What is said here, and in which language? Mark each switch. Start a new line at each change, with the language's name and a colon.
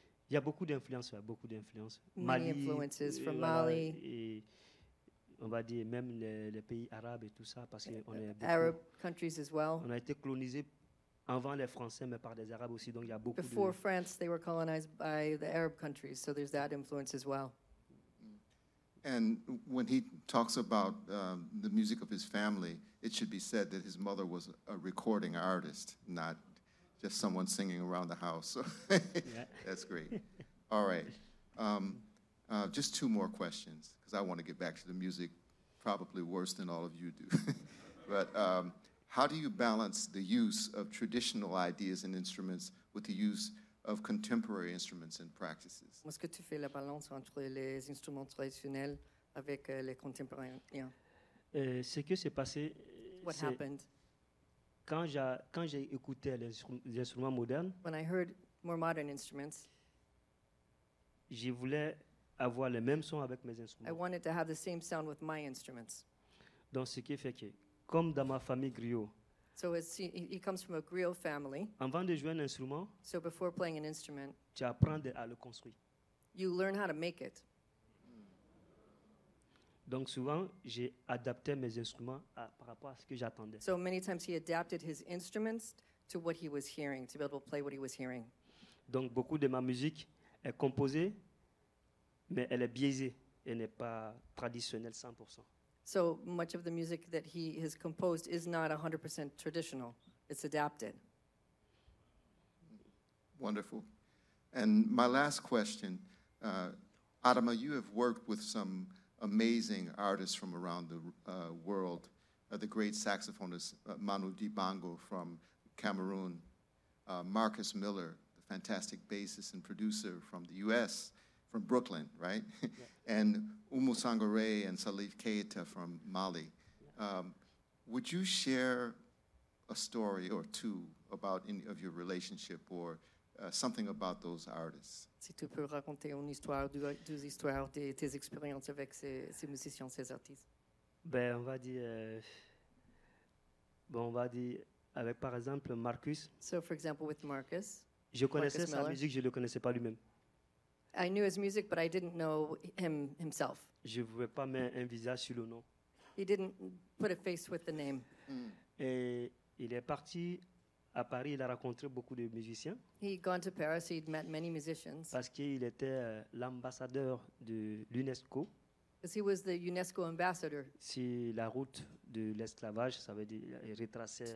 French: Il y a beaucoup d'influences, il y a beaucoup d'influences.
English: Many influences from Mali.
French: On va dire même les pays arabes et tout ça, parce qu'on est beaucoup.
English: Arab countries as well.
French: On a été colonisés avant les Français, mais par des Arabes aussi, donc il y a beaucoup.
English: Before France, they were colonized by the Arab countries, so there's that influence as well. And when he talks about the music of his family, it should be said that his mother was a recording artist, not just someone singing around the house. So that's great. All right. Just two more questions, because I want to get back to the music, probably worse than all of you do. But how do you balance the use of traditional ideas and instruments with the use of contemporary instruments and practices?
French: Est-ce que tu fais la balance entre les instruments traditionnels avec les contemporains? Ce qui s'est passé,
English: what happened?
French: Quand j'ai écouté les instruments modernes,
English: when I heard more modern instruments,
French: je voulais avoir le même son avec mes instruments.
English: I wanted to have the same sound with my instruments.
French: Donc ce qui fait que, comme dans ma famille griot.
English: So he comes from a griot family.
French: Avant de jouer un instrument.
English: So before playing an instrument.
French: Tu apprends à le construire.
English: You learn how to make it.
French: Donc souvent, j'ai adapté mes instruments par rapport à ce que j'attendais.
English: So many times he adapted his instruments to what he was hearing, to be able to play what he was hearing.
French: Donc beaucoup de ma musique est composée. Mais elle est biaisée, elle n'est pas traditionnelle 100%.
English: So much of the music that he has composed is not 100% traditional. It's adapted. Wonderful. And my last question, Adama, you have worked with some amazing artists from around the world, the great saxophonist Manu Dibango from Cameroon, Marcus Miller, the fantastic bassist and producer from the U.S., from Brooklyn, right? Yeah. And Oumou Sangaré and Salif Keita from Mali. Yeah. Would you share a story or two about any of your relationship or something about those artists?
French: Si tu peux raconter une histoire, deux histoires de tes expériences avec ces musiciens, ces artistes. Ben, on va dire. Bon, on va dire avec, par exemple, Marcus.
English: So, for example, with Marcus.
French: Je connaissais sa musique, je le connaissais pas lui-même.
English: I knew his music, but I didn't know him himself.
French: Je voulais pas mettre un visage sur le nom.
English: He didn't put a face with the name.
French: Et il est parti à Paris. Il a rencontré beaucoup de musiciens.
English: He'd gone to Paris. He'd met many musicians.
French: Parce qu'il était l'ambassadeur de l'UNESCO.
English: Because he was the UNESCO ambassador.
French: Si la route de l'esclavage, ça veut dire retracer.